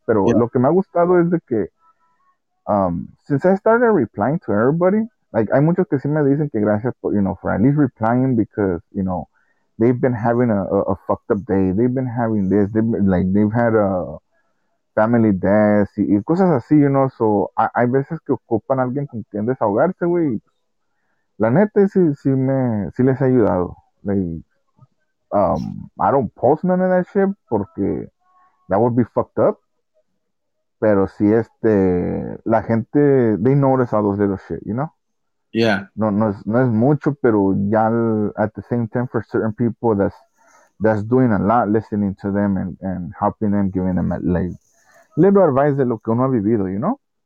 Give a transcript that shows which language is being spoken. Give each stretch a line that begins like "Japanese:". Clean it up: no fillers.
Spanish: Pero yeah, lo que me ha gustado es de que
English: since I started replying to everybody. Like,
Spanish: hay muchos que sí me dicen que gracias por,
English: you know, for at least replying because, you know, they've been having a fucked up day. They've been having this. They've had a family death
Spanish: y cosas así,
English: you know.
Spanish: So, hay veces que ocupan a alguien con quien desahogarse, güey. La neta, sí les ha ayudado.
English: Like, I don't post none of that shit porque that would be fucked up.
Spanish: Pero sí, la gente,
English: they notice all those little shit, you know. Yeah.
Spanish: No es mucho, pero ya
English: at the same time for certain people that's doing a lot, listening to them and helping them, giving them like little advice
Spanish: de lo que uno ha vivido,
English: you know?